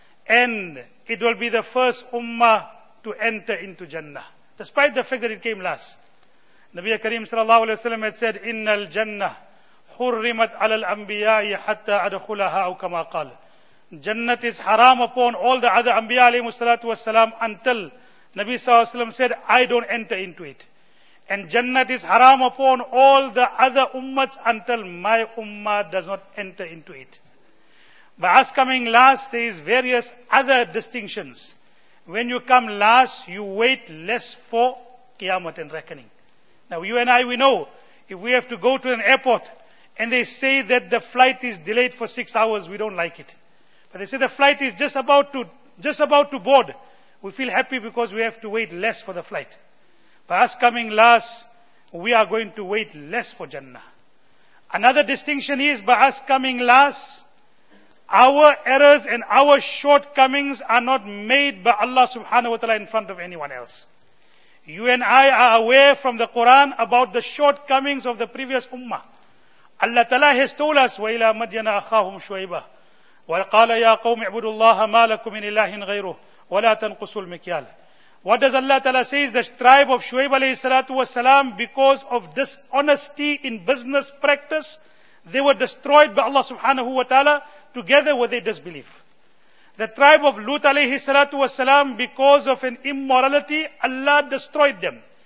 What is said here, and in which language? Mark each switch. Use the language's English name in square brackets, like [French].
[English] And it will be the first ummah to enter into Jannah. Despite the fact that it came last. Nabi Kareem sallallahu alayhi wa sallam had said, [Arabic] إِنَّ الْجَنَّةِ حُرِّمَتْ عَلَى الْأَنْبِيَاءِ حَتَّى أَدْخُلَهَا أَوْ كَمَا قَالْ. [English] Jannah is haram upon all the other Anbiya alayhi salatu wasalam until Nabi sallallahu alayhi wa sallam said, I don't enter into it. And Jannah is haram upon all the other ummahs until my ummah does not enter into it. By us coming last, there is various other distinctions. When you come last, you wait less for Qiyamah and reckoning. Now you and I, we know, if we have to go to an airport and they say that the flight is delayed for 6 hours, we don't like it. But they say the flight is just about to board. We feel happy because we have to wait less for the flight. By us coming last, we are going to wait less for Jannah. Another distinction is, by us coming last, our errors and our shortcomings are not made by Allah subhanahu wa ta'ala in front of anyone else. You and I are aware from the Quran about the shortcomings of the previous ummah. Allah ta'ala has told us, [Arabic] وَإِلَىٰ مَدْيَنَا أَخَاهُمْ شُوَيْبَ وَقَالَ يَا قَوْمِ اعْبُدُوا اللَّهَ مَا لَكُمْ مِنْ إِلَٰهٍ غَيْرُهُ وَلَا تَنْقُصُوا الْمِكْيَالَ. [English] What does Allah Ta'ala say? The tribe of Shu'aib alayhi salatu wasalam, because of dishonesty in business practice, they were destroyed by Allah subhanahu wa ta'ala together with their disbelief. The tribe of Lut alayhi salatu wasalam, because of an immorality, Allah destroyed them.